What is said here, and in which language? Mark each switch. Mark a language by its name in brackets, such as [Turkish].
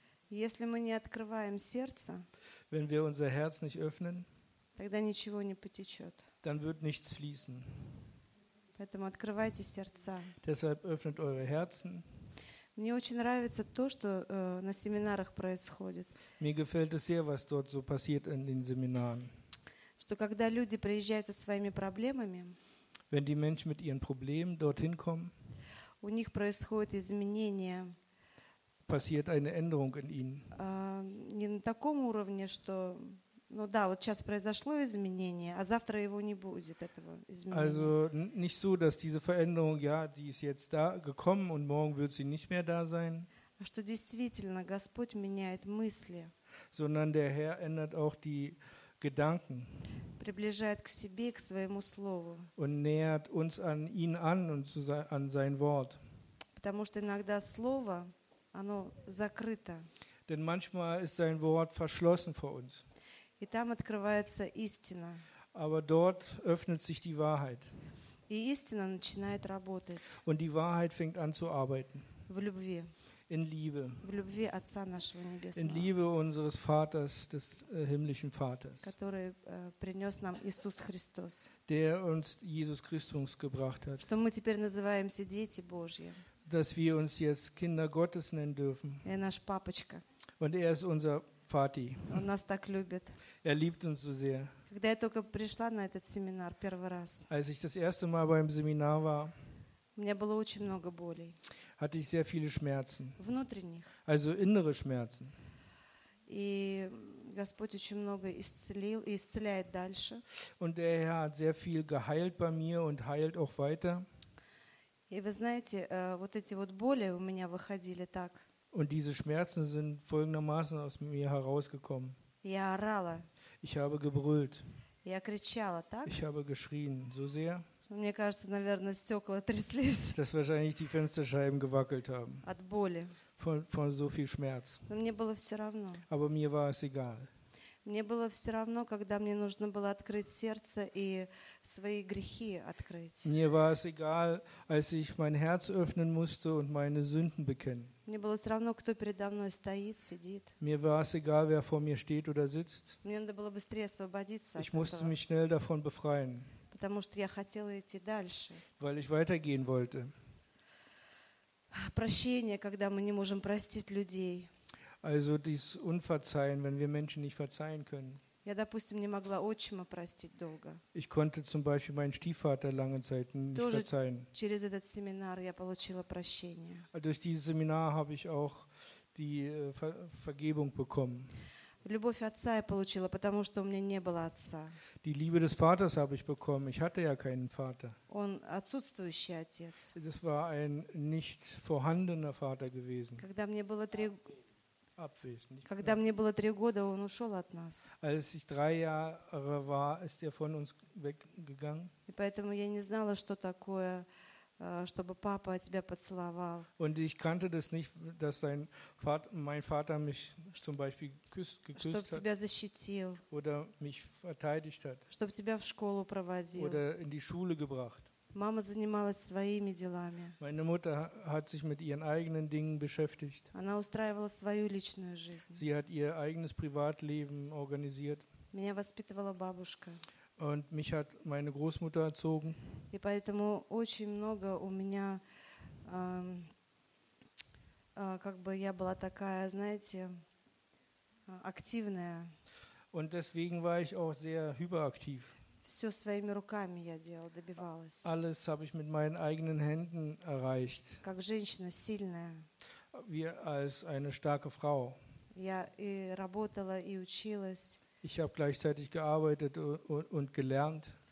[Russian] если мы не открываем сердца, [German] wenn wir unser Herz nicht öffnen, [Russian] тогда ничего не потечет. [German] Dann wird nichts fließen. [Russian] Поэтому открывайте сердца. [German] Deshalb öffnet eure Herzen. [Russian] Мне очень нравится то, что на семинарах происходит. [German] Mir gefällt es sehr, was dort so passiert in den Seminaren. [Russian] Что когда люди приезжают со своими проблемами, [German] wenn die Menschen mit ihren Problemen dorthin kommen, [Russian] у них происходит изменение. [German] Passiert eine Änderung in ihnen. [Russian] Не на таком уровне, что, ну да, вот сейчас произошло изменение, а завтра его не будет, этого изменения. [German] Also nicht so, dass diese Veränderung, ja, die ist jetzt da gekommen und morgen wird sie nicht mehr da sein. [Russian] А что действительно Господь меняет мысли. [German] Sondern der Herr ändert auch die Gedanken. [Russian] Приближает к себе, к своему слову. [German] Und nähert uns an ihn an und an sein Wort. [Russian] Потому что иногда слово, оно закрыто. [German] Denn manchmal ist sein Wort verschlossen vor uns. [Russian] И там открывается истина. [German] Aber dort öffnet sich die Wahrheit. [Russian] И истина начинает работать. [German] Und die Wahrheit fängt an zu arbeiten. [Russian] В любви. [German] In Liebe. [Russian] В любви Отца нашего небесного. [German] In Liebe unseres Vaters, des himmlischen Vaters. [Russian] Который принес нам Иисус Христос. [German] Der uns Jesus Christus gebracht hat. [Russian] Что мы теперь называемся дети Божьи. [German] Dass wir uns jetzt Kinder Gottes nennen dürfen. Er ist [Russian] наш папочка. [German] Und er ist unser Vati. [Russian] Он нас так любит. [German] Er liebt uns so sehr. [Russian] Когда я только пришла на этот семинар первый раз. [German] Als ich das erste Mal beim Seminar war. [Russian] У меня было очень много болей. [German] Hatte ich sehr viele Schmerzen. [Russian] Внутренних. [German] Also innere Schmerzen. [Russian] И Господь очень много исцелил и исцеляет дальше. [German] Und der Herr hat sehr viel geheilt bei mir und heilt auch weiter. [Russian] И вы знаете, вот эти вот боли у меня выходили так. [German] Und diese Schmerzen sind folgendermaßen aus mir herausgekommen. [Russian] Я орала. [German] Ich habe gebrüllt. [Russian] Я кричала, так? [German] Ich habe geschrien, so sehr. [Russian] Мне кажется, наверное, стекла тряслись. [German] Dass wahrscheinlich die Fensterscheiben gewackelt haben. [Russian] От боли. [German] Von so viel Schmerz. [Russian] Но мне было все равно. [German] Aber mir war es egal. [Russian] Мне было все равно, когда мне нужно было открыть сердце и свои грехи открыть. [German] Mir war es egal, als ich mein Herz öffnen musste und meine Sünden bekennen. [Russian] Мне было все равно, кто передо мной стоит, сидит. [German] Mir war es egal, wer vor mir steht oder sitzt. [Russian] Мне надо было быстрее освободиться. [German] Ich musste mich schnell davon befreien. [Russian] Потому что я хотела идти дальше. [German] Weil ich weitergehen wollte. [Russian] Прощение, когда мы не можем простить людей. [German] Also dieses Unverzeihen, wenn wir Menschen nicht verzeihen können. [Russian] Я, допустим, не могла отчима простить долго. [German] Ich konnte zum Beispiel meinen Stiefvater lange Zeit nicht verzeihen. [Russian] Через этот семинар я получила прощение. [German] Durch dieses Seminar habe ich auch die Vergebung bekommen. [Russian] Любовь отца я получила, потому что у меня не было отца. [German] Die Liebe des Vaters habe ich bekommen. Ich hatte ja keinen Vater. [Russian] Он отсутствующий отец. [German] Das war ein nicht vorhandener Vater gewesen. [Russian] Когда мне было три [German] Abwesend. [Russian] Когда мне было три года, он ушел от нас. [German] Als ich drei Jahre war, ist er von uns weggegangen. [Russian] И поэтому я не знала, что такое, чтобы папа тебя поцеловал. [German] Und ich kannte das nicht, dass sein Vater, mein Vater mich zum Beispiel geküsst hat. [Russian] Чтобы тебя защитил. [German] Oder mich verteidigt hat. [Russian] Чтобы тебя в школу проводил. [German] Oder in die Schule gebracht. [Russian] Мама занималась своими делами. [German] Meine Mutter hat sich mit ihren eigenen Dingen beschäftigt. [Russian] Она устраивала свою личную жизнь. [German] Sie hat ihr eigenes Privatleben organisiert. [Russian] Меня воспитывала бабушка. [German] Und mich hat meine Großmutter erzogen. [Russian] И поэтому очень много у меня, как бы я была такая, знаете, активная. [German] Und deswegen war ich auch sehr hyperaktiv. [Russian] Все своими руками я делала, добивалась. [German] Alles habe ich mit meinen eigenen Händen erreicht. [Russian] Как женщина сильная. [German] Wie als eine starke Frau. [Russian] Я и работала, и училась. [German] Ich habe gleichzeitig gearbeitet und gelernt.